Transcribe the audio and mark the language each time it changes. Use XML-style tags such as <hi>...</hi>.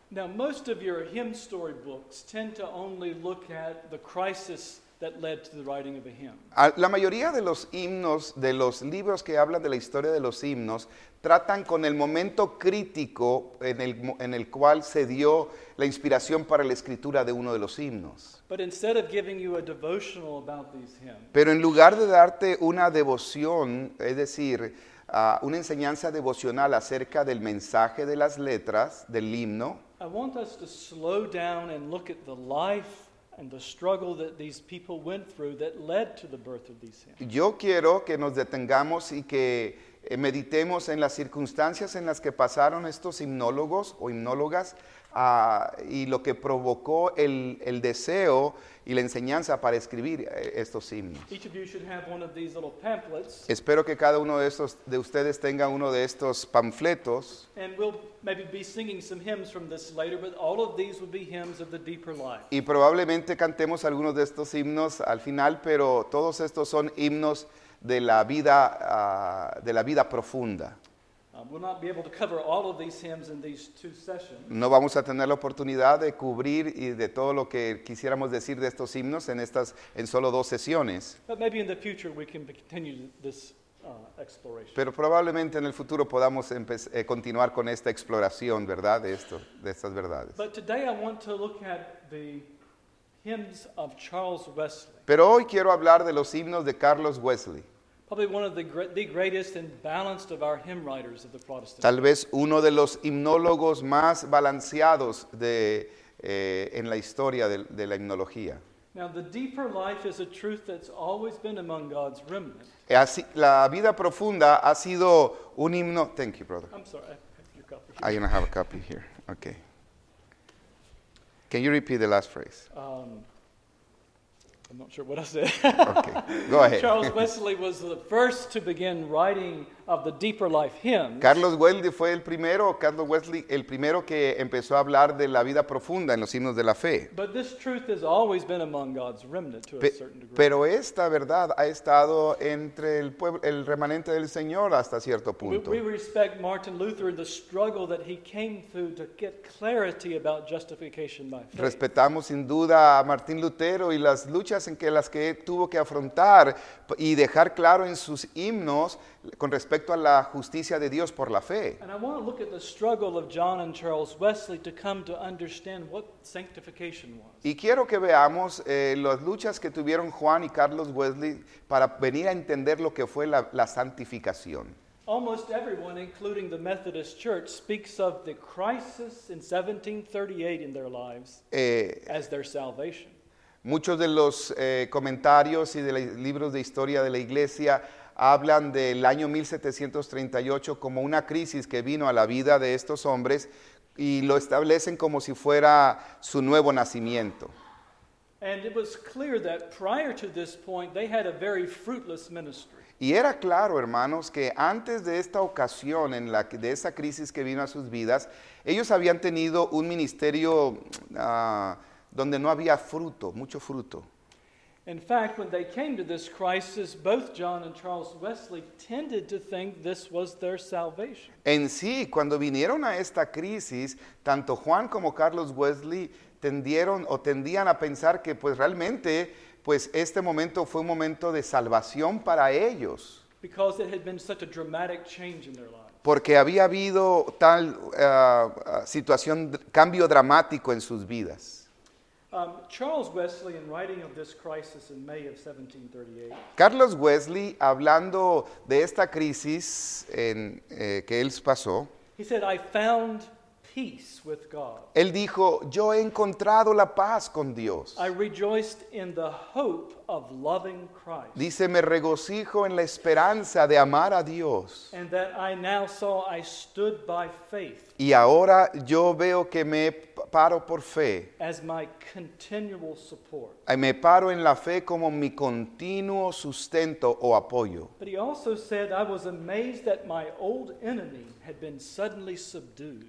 <en>Now most of your hymn story books tend to only look at the crisis that led to the writing of a hymn.</en> <es>La mayoría de los himnos, de los libros que hablan de la historia de los himnos, tratan con el momento crítico en el cual se dio la inspiración para la escritura de uno de los himnos.</es> <en>But instead of giving you a devotional about these hymns,</en> <es>pero en lugar de darte una devoción, es decir, una enseñanza devocional acerca del mensaje de las letras del himno,</es> <en>I want us to slow down and look at the life and the struggle that these people went through that led to the birth of these hymns.</en> <es>Yo quiero que nos detengamos y que meditemos en las circunstancias en las que pasaron estos himnólogos o himnólogas y lo que provocó el deseo y la enseñanza para escribir estos himnos.</es> <en>Each of you should have one of these little pamphlets.</en> <es>Espero que cada uno de ustedes tenga uno de estos panfletos.</es> <en>And we'll maybe be singing some hymns from this later, but all of these will be hymns of the deeper life.</en> <es>Y probablemente cantemos algunos de estos himnos al final, pero todos estos son himnos de la vida profunda.</es> <en>We'll not be able to cover all of these hymns in these two sessions.</en> <es>No vamos a tener la oportunidad de cubrir y de todo lo que quisiéramos decir de estos himnos en solo dos sesiones.</es> <en>But maybe in the future we can continue this exploration.</en> <es>Pero probablemente en el futuro podamos continuar con esta exploración, ¿verdad? De estas verdades.</es> <en>But today I want to look at the hymns of Charles Wesley.</en> <es>Pero hoy quiero hablar de los himnos de Carlos Wesley.</es> <en>Probably one of the greatest and balanced of our hymn writers of the Protestant.</en> <es>Tal vez uno de los himnólogos más balanceados en la historia de la himnología.</es> <en>Now the deeper life is a truth that's always been among God's remnant.</en> <es>Así, la vida profunda ha sido un himno.</es> <en>Thank you, brother. I'm sorry, I have your copy here. I don't have a copy here. Okay. Can you repeat the last phrase? I'm not sure what I said. Okay, go ahead. Charles Wesley was the first to begin writing of the deeper life hymns.</en> <es>Carlos Wesley el primero que empezó a hablar de la vida profunda en los himnos de la fe.</es> <en>But this truth has always been among God's remnant to a certain degree.</en> <es>Pero esta verdad ha estado entre el remanente del Señor hasta cierto punto.</es> <en>We respect Martin Luther and the struggle that he came through to get clarity about justification by faith.</en> <es>Respetamos sin duda a Martín Lutero y las luchas en las que tuvo que afrontar y dejar claro en sus himnos con respecto a la justicia de Dios por la fe.</es> <en>And I want to look at the struggle of John and Charles Wesley to come to understand what sanctification was.</en> <es>Y quiero que veamos las luchas que tuvieron Juan y Carlos Wesley para venir a entender lo que fue la santificación.</es> <en>Almost everyone, including the Methodist Church, speaks of the crisis in 1738 in their lives as their salvation.</en> <es>Muchos de los comentarios y de los libros de historia de la iglesia hablan del año 1738 como una crisis que vino a la vida de estos hombres y lo establecen como si fuera su nuevo nacimiento.</es> <en>And it was clear that prior to this point they had a very fruitless ministry.</en> <es>Y era claro, hermanos, que antes de esta ocasión, en la, de esa crisis que vino a sus vidas, ellos habían tenido un ministerio donde no había fruto, mucho fruto.</es> <en>In fact, when they came to this crisis, both John and Charles Wesley tended to think this was their salvation.</en> <es>En sí, cuando vinieron a esta crisis, tanto Juan como Carlos Wesley tendían a pensar que pues realmente pues este momento fue un momento de salvación para ellos.</es> <en>Because it had been such a dramatic change in their lives.</en> <es>Porque había habido tal situación, cambio dramático en sus vidas.</es> <en>Charles Wesley, in writing of this crisis in May of 1738.</en> <es>Carlos Wesley, hablando de esta crisis en, que él pasó.</es> <en>He said, "I found peace with God."</en> <es>Él dijo, "Yo he encontrado la paz con Dios."</es> <en>"I rejoiced in the hope of loving Christ."</en> <es>Dice, "Me regocijo en la esperanza de amar a Dios."</es> <en>"And that I now saw I stood by faith."</en> <es>Y ahora yo veo que me paro por fe.</es> <en>"As my continual support."</en> <es>Y me paro en la fe como mi continuo sustento o apoyo.</es> <en>"But he also said, I was amazed that my old enemy had been suddenly subdued."</en>